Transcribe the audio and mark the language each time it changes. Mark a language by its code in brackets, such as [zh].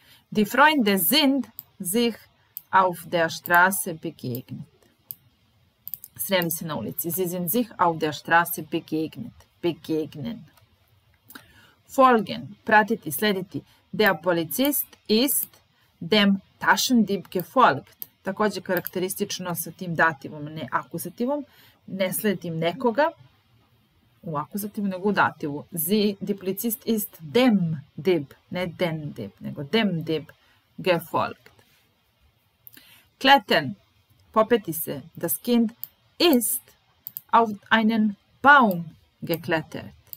[de] Die Freunde sind sich auf der Straße begegnet. [sr] Sreli se na ulici. [de] Sie sind sich auf der Straße begegnet. Begegnen. Folgen, pratiti, slediti. Der Polizist ist dem Taschendieb gefolgt. [sr] Takođe karakteristično sa tim dativom, ne akuzativom. Ne sledim nekoga u akuzativu, nego u dativu. [de] Die Polizist ist dem Dieb, ne den Dieb, nego dem Dieb gefolgt. Klettern, popeti se. Das Kind ist auf einen Baum geklettert.